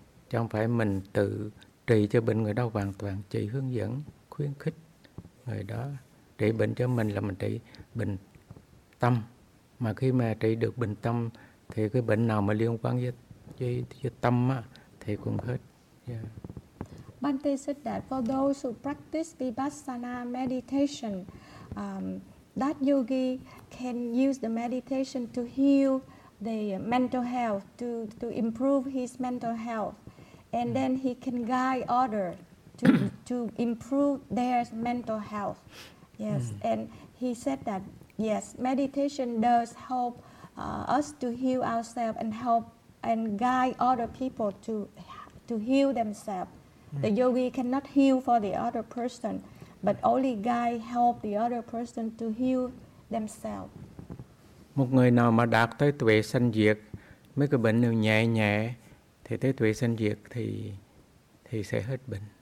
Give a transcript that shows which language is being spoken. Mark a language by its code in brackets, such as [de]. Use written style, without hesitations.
[vi] Chứ không phải mình tự trị cho bệnh người đó hoàn toàn, chỉ hướng dẫn, khuyến khích người đó. Trị bệnh cho mình là mình trị bệnh tâm. Mà khi mà trị được bệnh tâm, thì cái bệnh nào mà liên quan với tâm á, thì cũng hết. [en] Yeah. Bhante said that for those who practice Vipassana meditation, that yogi can use the meditation to heal the mental health, to improve his mental health, and then he can guide others to improve their mental health. Yes, and he said that yes, meditation does help us to heal ourselves and help and guide other people to heal themselves. The yogi cannot heal for the other person, but only guide help the other person to heal themselves. [vi] Một người nào mà đạt tới tuệ sanh diệt, mấy cái bệnh đều nhẹ nhẹ, thì tới tuệ sanh diệt thì sẽ hết bệnh.